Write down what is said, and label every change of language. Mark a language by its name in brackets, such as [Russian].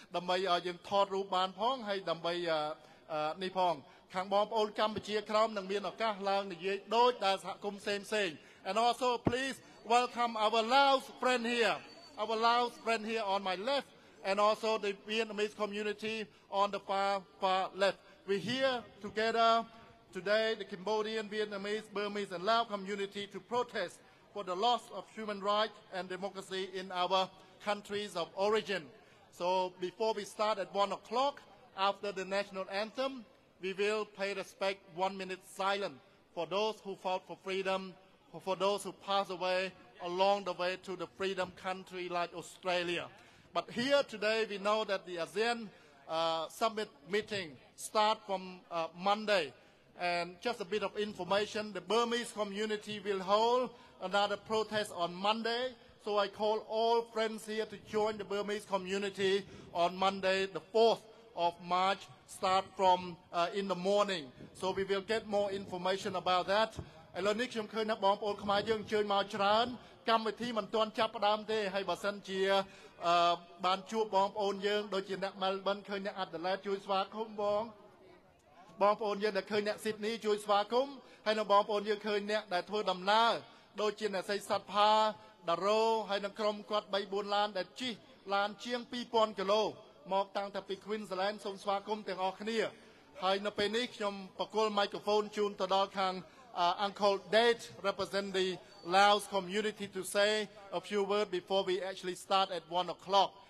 [Khmer] បីឲ្យយើងថតរូបបានផងហើយដើម្បីនេះផងខាងបងប្អូនកម្ពុជាក្រោមនឹងមានឱកាសឡើងនិយាយដូចដែលសហគមន៍ផ្សេងផ្សេង [English] and also please welcome our Laos friend here on my leftand also the Vietnamese community on the far left. We're here together Today, the Cambodian, Vietnamese, Burmese, and Lao community to protest for the loss of human rights and democracy in our countries of origin. So before we start at 1 o'clock, after the national anthem, we will pay respect 1 minute silence for those who fought for freedom, for those who passed away along the way to the freedom country like Australia. But here today, we know that the ASEAN summit meeting start from Monday. And just a bit of information, the Burmese community will hold another protest on Monday. So I call all friends here to join the Burmese community on Monday, the 4th of March, start from in the morning. So we will get more information about that. [Khmer] ឥឡូវនេះខ្ញុំឃើញថាបងប្អូនខ្មែរយើងជឿមកច្រើនកម្មវិធីមិនទាន់ចាប់ផ្ដើមទេហើយបើសិនជាបានជួបបងប្អូនយើងដូចជាអ្នកមែលប៊នឃើញអ្នកអាដាលេដជួយស្វាគមន៍ បងប្អូនយើងដែលឃើញអ្នកស៊ីដនីជួយស្វាគមន៍ហើយនៅបងប្អូនយើងឃើញអ្នកដែលធ្វើដំណើរដូចជាអ្នកសៃសាត់ផាដារ៉ូហើយនៅក្រុមគាត់3 4ឡានដែលជិះឡានជាង 2,000 គីឡូមកតាំងតាពី Queensland សូមស្វាគមន៍ទាំងអស់គ្នាហើយនៅពេលនេះខ្ញុំបកគល់ไมក្រូហ្វូនជូនទៅដល់ខាងUncle Date [English] represent the Laos community to say a few words before we actually start at 1 o'clock.